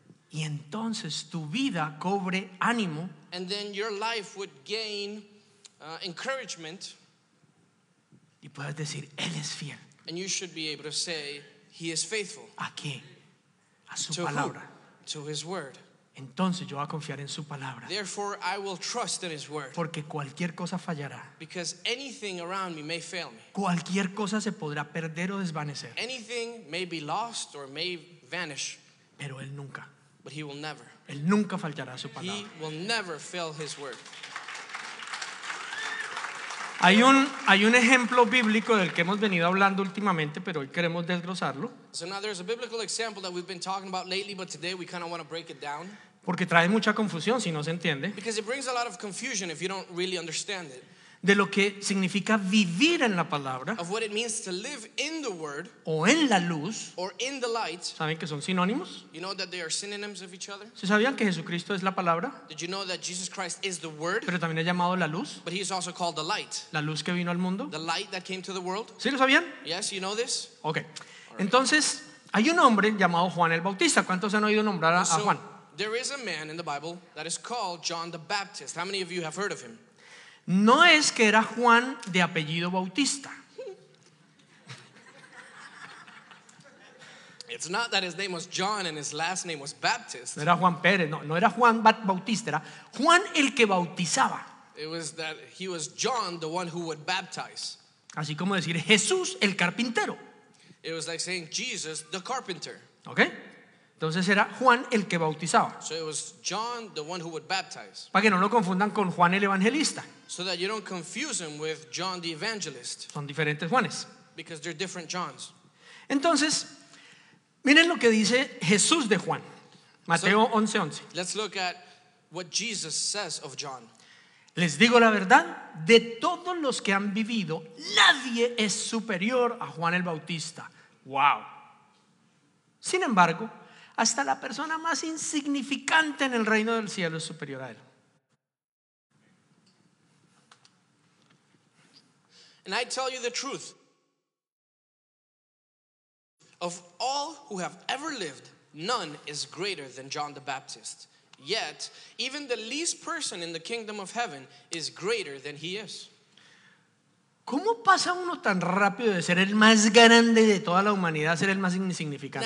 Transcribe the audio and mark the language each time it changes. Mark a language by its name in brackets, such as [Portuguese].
[Spanish] y entonces tu vida cobre ánimo, [English] and then your life would gain encouragement, [Spanish] y puedes decir, él es fiel, [English] and you should be able to say, he is faithful. [Spanish] ¿A qué? A su palabra. [English] To his word. [Spanish] Entonces yo voy a confiar en su palabra. [English] Therefore, I will trust in his word. [Spanish] Porque cualquier cosa fallará. [English] Because anything around me may fail me. [Spanish] Cualquier cosa se podrá perder o desvanecer. [English] Anything may be lost or may vanish. [Spanish] Pero él nunca. [English] But he will never. [Spanish] Él nunca faltará a su palabra. [English] He will never fail his word. [Spanish] Hay un ejemplo bíblico del que hemos venido hablando últimamente, pero hoy queremos desglosarlo. [English] So now there's a biblical example that we've been talking about lately, but today we kind of want to break it down. [Spanish] Porque trae mucha confusión si no se entiende. [English] Because it brings a lot of confusion if you don't really understand it. [Spanish] De lo que significa vivir en la palabra. [English] Of what it means to live in the word. [Spanish] O en la luz. [English] Or in the light. [Spanish] ¿Saben que son sinónimos? [English] You know that they are synonyms of each other. [Spanish] ¿Se sabían que Jesucristo es la palabra? [English] Did you know that Jesus Christ is the word? [Spanish] Pero también es llamado la luz. [English] But he is also called the light. [Spanish] La luz que vino al mundo. [English] The light that came to the world. [Spanish] ¿Sí lo sabían? [English] Yes, you know this. Okay. [Spanish] Entonces, hay un hombre llamado Juan el Bautista. ¿Cuántos han oído nombrar a Juan? [English] There is a man in the Bible that is called John the Baptist. How many of you have heard of him? [Spanish] No es que era Juan de apellido Bautista. [English] It's not that his name was John and his last name was Baptist. [Spanish] No era Juan Pérez, no era Juan Bautista, era Juan el que bautizaba. [English] It was that he was John, the one who would baptize. [Spanish] Así como decir Jesús el carpintero. [English] It was like saying Jesus the carpenter. [Spanish] ¿Okay? Entonces era Juan el que bautizaba. [English] So it was John, the one who would baptize. [Spanish] Para que no lo confundan con Juan el evangelista. [English] So that you don't confuse him with John the evangelist. [Spanish] Son diferentes Juanes. [English] Because they're different Johns. [Spanish] Entonces, miren lo que dice Jesús de Juan. Mateo 11:11. [English] Let's look at what Jesus says of John. [Spanish] Les digo la verdad, de todos los que han vivido, nadie es superior a Juan el Bautista. Wow. Sin embargo, hasta la persona más insignificante en el reino del cielo es superior a él. [English] And I tell you the truth. Of all who have ever lived, none is greater than John the Baptist. Yet, even the least person in the kingdom of heaven is greater than he is. [Spanish] ¿Cómo pasa uno tan rápido de ser el más grande de toda la humanidad a ser el más insignificante?